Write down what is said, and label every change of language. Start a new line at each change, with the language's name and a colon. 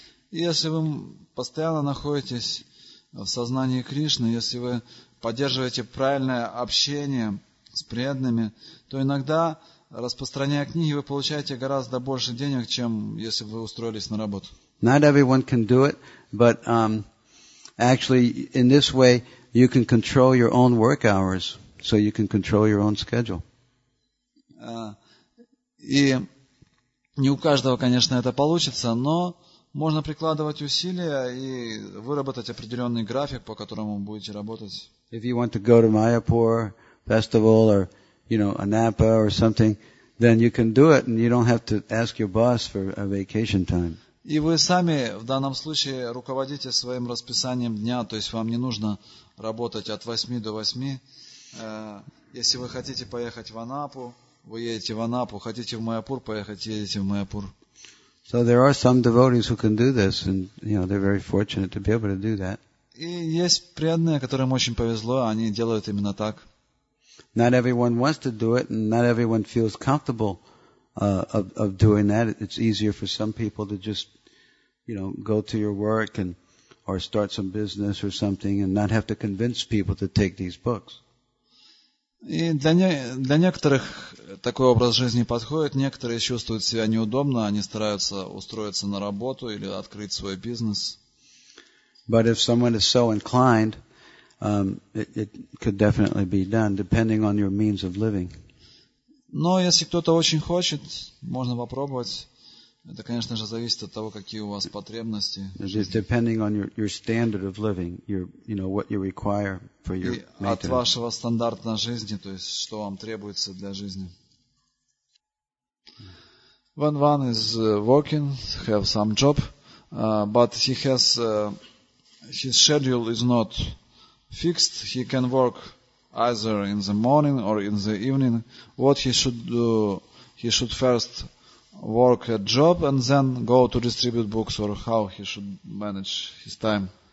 Russian: Если вы постоянно находитесь в сознании Кришны, если вы поддерживаете правильное общение с преданными, то иногда, распространяя книги, вы получаете гораздо больше денег, чем если бы вы устроились на работу.
English: Not everyone can do it, but actually, in this way, you can control your own work hours, so you can control your own schedule.
Russian: И не у каждого, конечно, это получится, но можно прикладывать усилия и выработать определенный график, по которому будете работать.
English: If you want to go to Mayapur festival or, you know, Anapa or something, then you can do it and you don't have to ask your boss for a vacation time.
Russian: И вы сами в данном случае руководите своим расписанием дня, то есть вам не нужно работать от 8 до 8. Если вы хотите поехать в Анапу, вы едете в Анапу, хотите в Майяпур поехать, едете в Майяпур.
English: So there are some devotees who can do this, and you know, they're very fortunate to be able to do that.
Russian: И есть преданные, которым очень повезло, они делают именно так.
English: Not everyone wants to do it, and not everyone feels comfortable of doing that. It's easier for some people to just, you know, go to your work and or start some business or something and not have to convince people to take these books.
Russian: И для некоторых такой образ жизни подходит. Некоторые чувствуют себя неудобно, они стараются устроиться на работу или открыть свой бизнес.
English: But if someone is so inclined, it could definitely be done, depending on your means of living.
Russian: Но если кто-то очень хочет, можно попробовать. Это, конечно же, зависит от того, какие у вас потребности.
English: It's depending on your standard of living, you know, what you require for your maintenance.
Russian: И от вашего стандарта жизни, то есть, что вам требуется для жизни.
English: Van Van is working, have some job, but he has his schedule is not fixed. He can work either in the morning or in the evening. What he should do, he should first work a job and then go to distribute books, or how he should manage his time?